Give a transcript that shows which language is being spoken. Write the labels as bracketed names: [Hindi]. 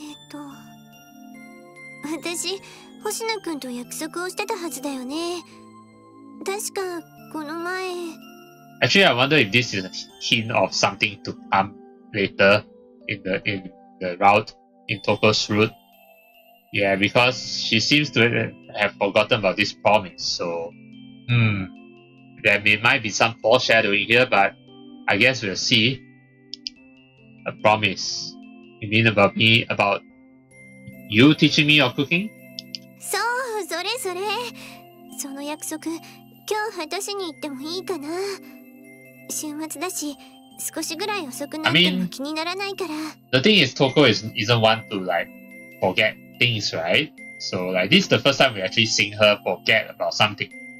[Japanese] 私、星野くんと約束をしてたはずだよね。確か、この前。 [English] Actually, I wonder if this is a hint of something to come later in the route, in Toko's route. Yeah, because she seems to have forgotten about this promise, so... There might be some foreshadowing here, but I guess we'll see. A promise. You mean about me, about you teaching me your cooking? [Japanese] そう、それそれ。その約束、今日私に言ってもいいかな。週末だし、少しぐらい遅くなっても気にならないから。 [English] The thing is, Touko isn't one to, like, forget. Things, right? So, like, this is the first time we actually seeing her forget about something.